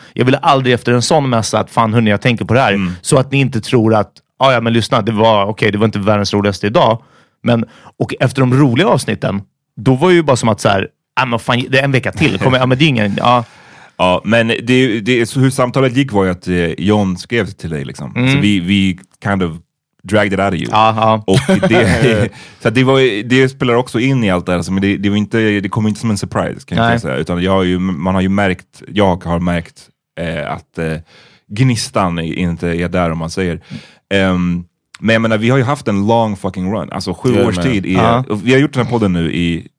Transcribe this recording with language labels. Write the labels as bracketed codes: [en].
[sv] Jag ville aldrig efter en sån mässa att fan hörni, jag tänker på det här, så att ni inte tror att ja, men lyssna, det var okej, det var inte världens roligaste idag. Men, och efter de roliga avsnitten, då var det ju bara som att så här, men fan, det är en vecka till. Kommer, ja, men det är ingen, ja. Ja, men det är så hur samtalet gick var ju att John skrev till dig liksom. [en] Så vi kind of dragged it out of you. Aha. [sv] Och det, så det var, det spelar också in i allt det här. Alltså, men det var inte, det kom inte som en surprise, kan jag inte säga. Utan jag har ju, man har ju märkt, jag har märkt att gnistan inte är där, om man säger. Men jag menar, vi har ju haft en [en] long fucking run. [sv] Alltså 7 års tid. Vi har gjort den här podden nu i...